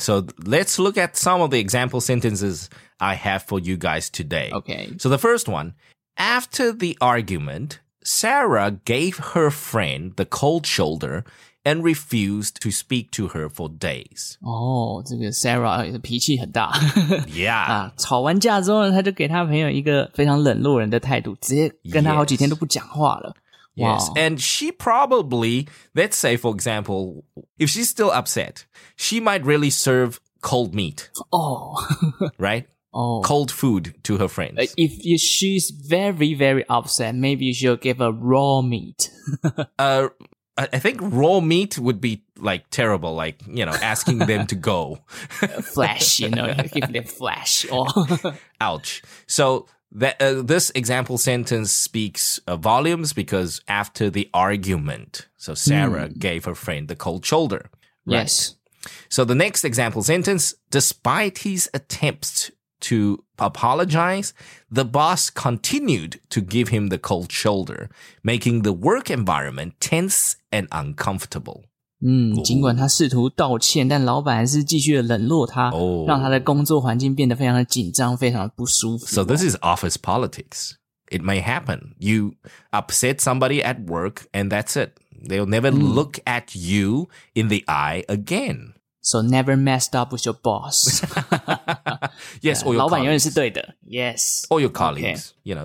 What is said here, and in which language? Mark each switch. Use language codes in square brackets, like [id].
[en] So let's look at some of the example sentences I have for you guys today. Okay. So the first one. After the argument, Sarah gave her friend the cold shoulder and refused to speak to her for days. [zh] Oh, 这个 Sarah 脾气很大。 [en] Yeah. [zh] 吵完架之后呢，他就给他朋友一个非常冷落人的态度，直接跟他好几天都不讲话了。 [en] Yes. Wow. And she probably, let's say for example, if she's still upset, she might really serve cold meat. Oh. right? Oh. Cold food to her friends. If she's very, very upset, maybe she'll give a raw meat. I think raw meat would be like terrible, like, you know, asking them to go. flesh, you know, give them flesh. Oh. Ouch. So that, this example sentence speaks volumes because after the argument, so Sarah、mm. gave her friend the cold shoulder.、Right? Yes. So the next example sentence, despite his attempts to apologize, the boss continued to give him the cold shoulder, making the work environment tense and uncomfortable. [zh] 尽管他试图道歉，但老板还是继续冷落他，让他的工作环境变得非常的紧张，非常的不舒服。 [en] So this is office politics. It may happen. You upset somebody at work, and that's it. They'll never look at you in the eye again. So never messed up with your boss. yes, or your colleagues. [zh] 老板永远是对的 Yes. [en] Or your colleagues.、 Okay. You know,